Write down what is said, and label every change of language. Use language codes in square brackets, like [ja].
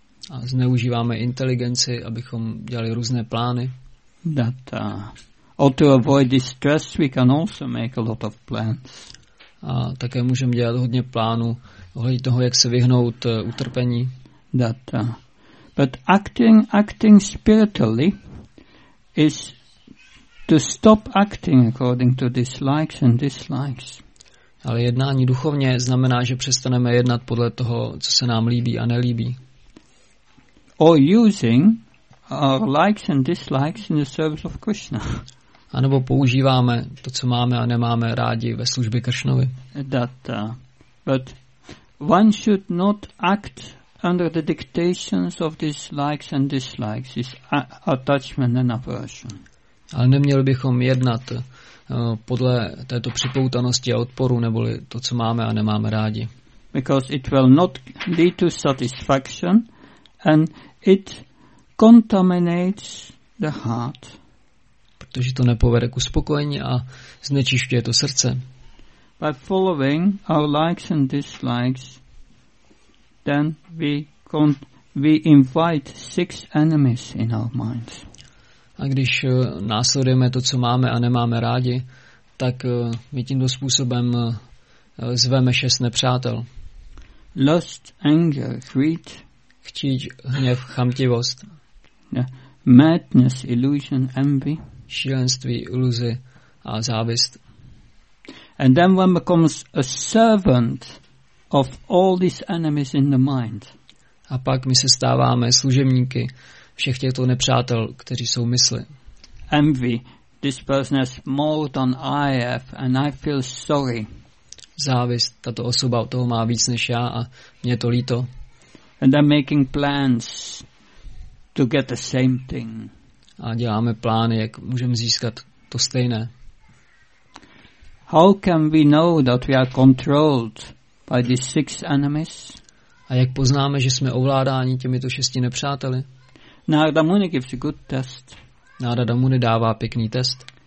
[cs] A zneužíváme inteligenci, abychom dělali různé plány. [en] That or to avoid distress, we can also make a lot of plans. [cs] A také můžeme dělat hodně plánů ohledně toho, jak se vyhnout utrpení. [en] That, but acting spiritually is to stop acting according to dislikes and dislikes. [cs] Ale jednání duchovně znamená, že přestaneme jednat podle toho, co se nám líbí a nelíbí. [en] Or using our likes and dislikes in the service of Krishna. [cs] A nebo používáme to, co máme a nemáme rádi ve službě Kršnovi. [en] That, but one should not act under the dictations of these likes and dislikes, this attachment and aversion. [cs] Ale neměli bychom jednat podle této připoutanosti a odporu, neboli to, co máme a nemáme rádi. [en] Because it will not lead to satisfaction and it contaminates the heart. [cs] Protože to nepovede k uspokojení a znečišťuje to srdce. [en] By following our likes and dislikes, then we invite six enemies in our minds. [cs] A když následujeme to, co máme a nemáme rádi, tak my tímto způsobem zveme šest nepřátel. [en] Lust, anger, greed. [cs] Chtíč, hněv, chamtivost. [en] Madness, illusion, envy. [cs] Šílenství, iluze a závist. [en] And then one becomes a servant of all these enemies in the mind. [cs] A pak my se stáváme služebníky všech těchto nepřátel, kteří jsou mysli. [en] Envy, this person has more than I have and I feel sorry. [cs] Závist, tato osoba toho má víc než já a mě to líto. [en] And I'm making plans to get the same thing. [cs] A děláme plány, jak můžeme získat to stejné. [en] How can we know that we are controlled by these six enemies? [cs] A jak poznáme, že jsme ovládáni těmito šesti nepřáteli? [en] Narada Muni gives a good test. [cs] Narada Muni dává pěkný test.